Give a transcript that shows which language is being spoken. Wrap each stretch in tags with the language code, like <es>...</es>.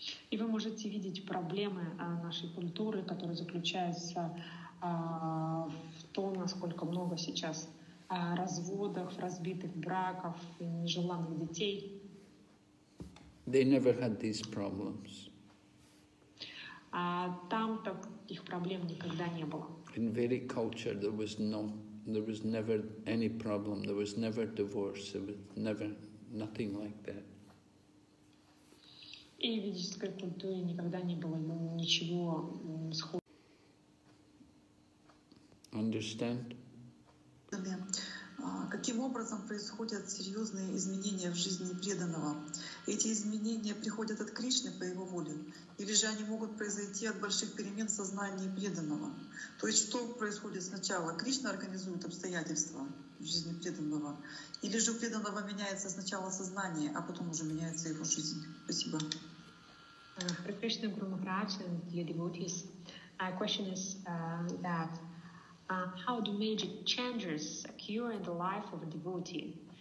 <ru>И вы можете видеть проблемы нашей культуры, которая заключается в том, насколько много сейчас разводов, разбитых браков, нежеланных детей.</ru> <en>They never had these problems.</en> <ru>А там таких проблем никогда не было.</ru> <en>In Vedic culture there was never any problem, there was never divorce, there was never nothing like that.</en> <ru>И в ведической культуре никогда не было ничего схожего.</ru> <en>Understand?</en> <ru>Да, Каким образом происходят серьезные изменения в жизни преданного? Эти изменения приходят от Кришны по его воле? Или же они могут произойти от больших перемен в сознании преданного? То есть что происходит сначала? Кришна организует обстоятельства в жизни преданного? Или же у преданного меняется сначала сознание, а потом уже меняется его жизнь? Спасибо.</ru> <en>Krishna Guru Maharaj and dear devotees, my question is that how do major changes occur in the life of a devotee?</en>